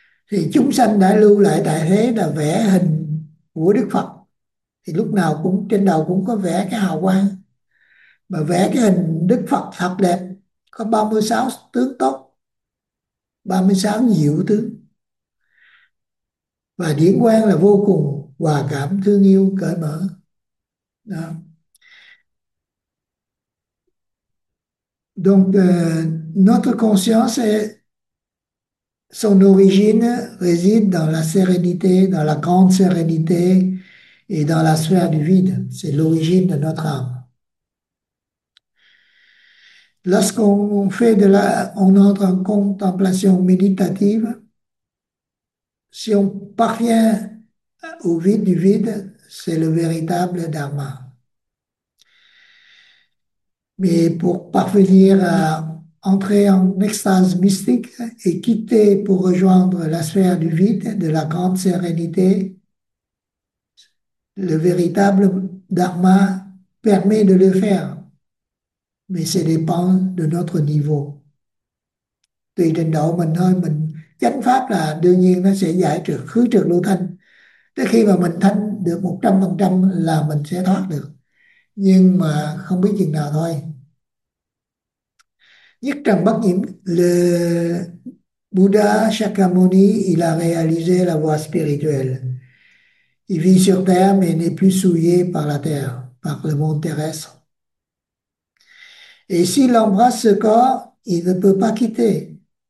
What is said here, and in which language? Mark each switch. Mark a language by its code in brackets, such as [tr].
[vi] Thì chúng sanh đã lưu lại tại thế là vẽ hình của Đức Phật, thì lúc nào cũng trên đầu cũng có vẽ cái hào quang, mà vẽ cái hình Đức Phật thật đẹp, có 36 tướng tốt, 36 diệu tướng, và điển quang là vô cùng hòa cảm, thương yêu, cởi mở đó. [fr] Donc, notre conscience est son origine réside dans la sérénité, dans la grande sérénité et dans la sphère du vide. C'est l'origine de notre âme. Lorsqu'on fait de la, on entre en contemplation méditative, si on parvient au vide du vide, c'est le véritable dharma. Mais pour parvenir à entrer en extase mystique et quitter pour rejoindre la sphère du vide, de la grande sérénité, le véritable dharma permet de le faire. Mais ça dépend de notre niveau. [vi] Tùy trình độ mình thôi, mình chánh pháp là đương nhiên nó sẽ giải trừ khứ trừ lưu thanh. Tới khi mà mình thanh được 100% là mình sẽ thoát được. Nhưng mà không biết chừng nào thôi. Nhất trần bất nhiễm, [fr] le Buddha Shakyamuni, il a réalisé la voie spirituelle. Il vit sur terre, mais n'est plus souillé par la terre, par le monde terrestre. Et s'il embrasse ce corps, il ne peut pas quitter.